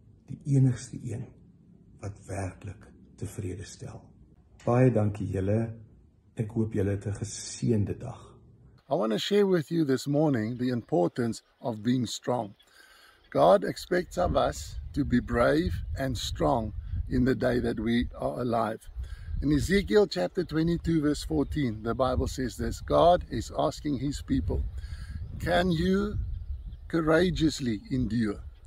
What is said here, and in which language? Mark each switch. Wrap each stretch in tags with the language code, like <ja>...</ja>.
<af>Die enigste een wat werklik tevrede stel. Baie dankie julle. Ek hoop julle het 'n geseënde dag.</af> <en>I want to share with you this morning the importance of being strong. God expects of us to be brave and strong in the day that we are alive. In Ezekiel chapter 22 verse 14, the Bible says this, God is asking his people, can you courageously endure?</en>